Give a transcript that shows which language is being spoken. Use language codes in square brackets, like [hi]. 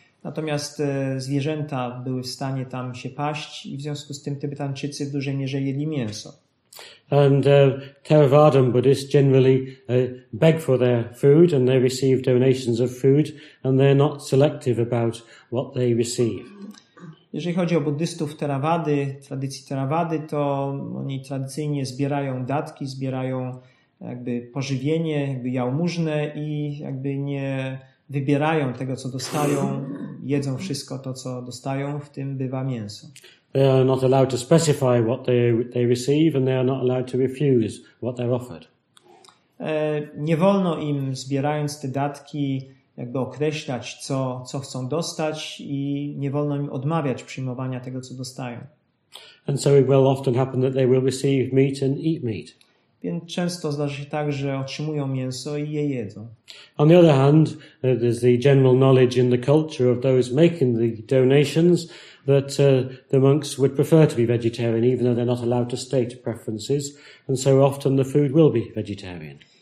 [pl] Natomiast zwierzęta były w stanie tam się paść i w związku z tym Tybetańczycy w dużej mierze jeli mięso. [en] And Theravadan Buddhists generally beg for their food and they receive donations of food and they're not selective about what they receive. [pl] Jeżeli chodzi o buddystów Theravady, tradycji Theravady, to oni tradycyjnie zbierają datki, zbierają jakby pożywienie, jakby jałmużnę i jakby nie wybierają tego, co dostają. Jedzą wszystko to, co dostają, w tym bywa mięso. [en] They are not allowed to specify what they receive and they are not allowed to refuse what they're offered. [pl] Nie wolno im, zbierając te datki, jakby określać, co chcą dostać i nie wolno im odmawiać przyjmowania tego, co dostają. [en] And so it will often happen that they will receive meat and eat meat. [pl] Więc często zdarza się tak, że otrzymują mięso i je jedzą. [en] On the other hand, there's the general knowledge in the culture of those making the donations that the monks would prefer to be vegetarian, even though they're not allowed to state preferences, and so often the food will be vegetarian.